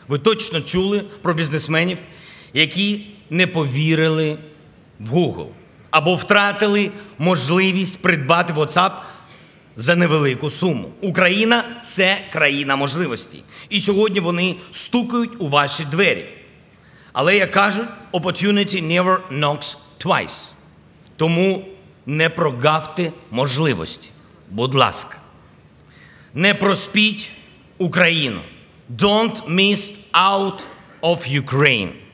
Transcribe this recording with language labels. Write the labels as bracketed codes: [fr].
[uk] Ви точно чули про бізнесменів, які не повірили в Google або втратили можливість придбати WhatsApp за невелику суму. Україна – це країна можливостей. І сьогодні вони стукають у ваші двері. Але, як кажуть, [en] opportunity never knocks twice. [uk] Тому не прогавте можливості. Будь ласка. Не проспіть Україну. [en] Don't miss out of Ukraine.